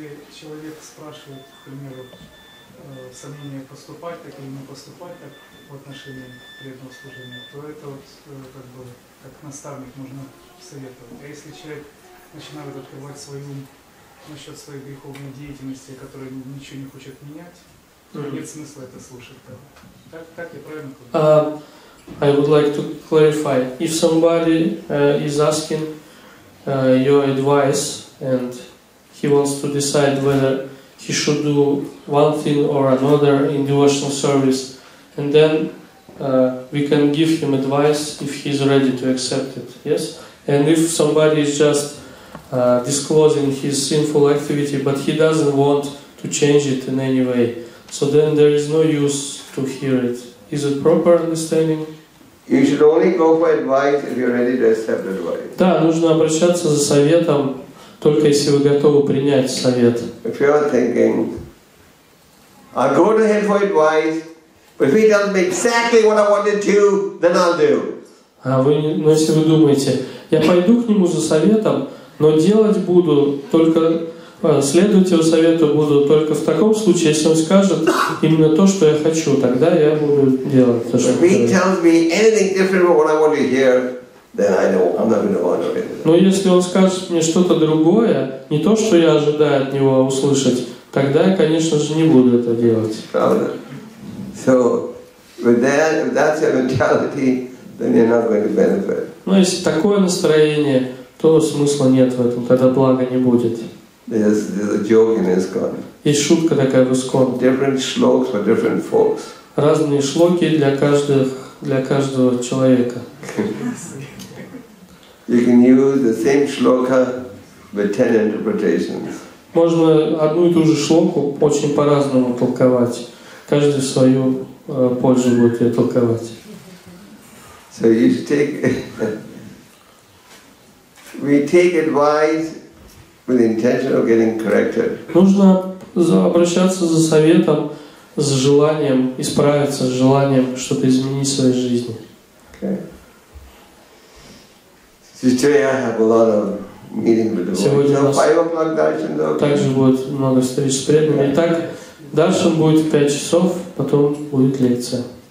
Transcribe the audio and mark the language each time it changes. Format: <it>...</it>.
<ru>Человек спрашивает, к примеру, сомнение поступать так или не поступать так в отношении преданного служения, то это вот как бы как наставник можно советовать. А если человек начинает открывать свой ум насчет своей греховной деятельности, которая ничего не хочет менять, то нет смысла это слушать. Да? Так я правильно понимаю?</ru> <en>I would like to clarify. If somebody is asking your advice and he wants to decide whether he should do one thing or another in devotional service, and then we can give him advice if he's ready to accept it, yes? And if somebody is just disclosing his sinful activity, but he doesn't want to change it in any way, so then there is no use to hear it. Is it proper understanding? You should only go for advice if you're ready to accept advice.</en> <ru>Да, нужно обращаться за советом, только если вы готовы принять совет.</ru> <en>If you are thinking, I'll go to him for advice, but if he tells me exactly what I want to do, then I'll do.</en> <ru>Но если вы думаете, я пойду к нему за советом, но делать буду только, следовать его совету буду только в таком случае, если он скажет именно то, что я хочу, тогда я буду делать то, что хочу.</ru> <en>If he tells me anything different from what I want to hear, then I know I'm not going to honor it.</en> <ru>Но если он скажет мне что-то другое, не то, что я ожидаю от него услышать, тогда я, конечно же, не буду это делать. Правда.</ru> <en>So, with that, if that's your mentality, then you're not going to benefit.</en> <ru>Но если такое настроение, то смысла нет в этом, тогда блага не будет.</ru> <en>There's a joke in ISKCON.</en> <ru>Есть шутка такая в ISKCON.</ru> <en>Different shlokas for different folks.</en> <ru>Разные шлоки для каждого человека.</ru> <en>You can use the same shloka with 10 interpretations.</en> <ru>Можно одну и ту же шлоку очень по-разному толковать. Каждый свою пользу будет ее толковать.</ru> <en>So you should take we take advice with the intention of getting corrected.</en> <ru>Нужно обращаться за советом с желанием исправиться, с желанием что-то изменить в своей жизни. Сегодня у нас также будет много встреч с преданными. Итак, дальше будет 5 часов, потом будет лекция.</ru>